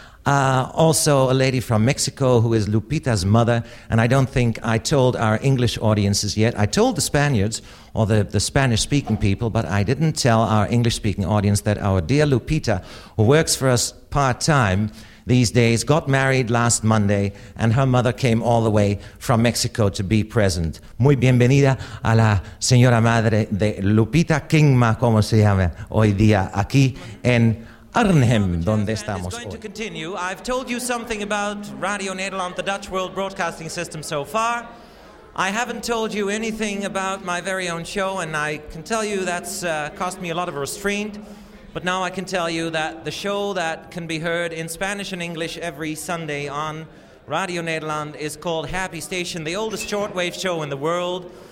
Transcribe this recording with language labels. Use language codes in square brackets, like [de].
[en] Also a lady from Mexico who is Lupita's mother, and I don't think I told our English audiences yet. I told the Spaniards, or the Spanish-speaking people, but I didn't tell our English-speaking audience that our dear Lupita, who works for us part-time these days, got married last Monday, and her mother came all the way from Mexico to be present. [es] Muy bienvenida a la señora madre de Lupita Kingma, como se llama hoy día, aquí en Arnhem, donde estamos hoy. [en] It's going to continue. I've told you something about Radio Nederland, the Dutch World Broadcasting System, so far. I haven't told you anything about my very own show, and I can tell you that's cost me a lot of restraint. But now I can tell you that the show that can be heard in Spanish and English every Sunday on Radio Nederland is called Happy Station, the oldest shortwave show in the world.